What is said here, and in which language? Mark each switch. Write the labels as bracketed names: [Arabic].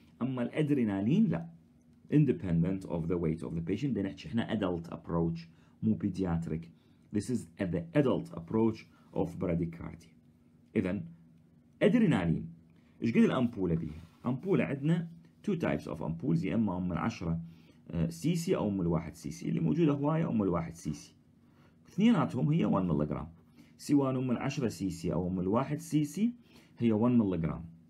[Arabic] أما الأدرينالين لا، [English] independent of the weight of the patient. [Arabic] بنحكي إحنا [English] adult approach [Arabic] مو pediatric. [English] This is the adult approach of bradycardia. [Arabic] إذن أدرينالين إيش قد الأمبولة بيها؟ أمبولة عندنا [English] two types of ampoules، [Arabic] إما أم العشرة سي سي أو أم الواحد سي سي. اللي موجودة هواية أم الواحد سي سي، اثنيناتهم هي 1 ملغرام، سواء أم العشرة سي سي أو أم الواحد سي سي هي 1 ملغرام.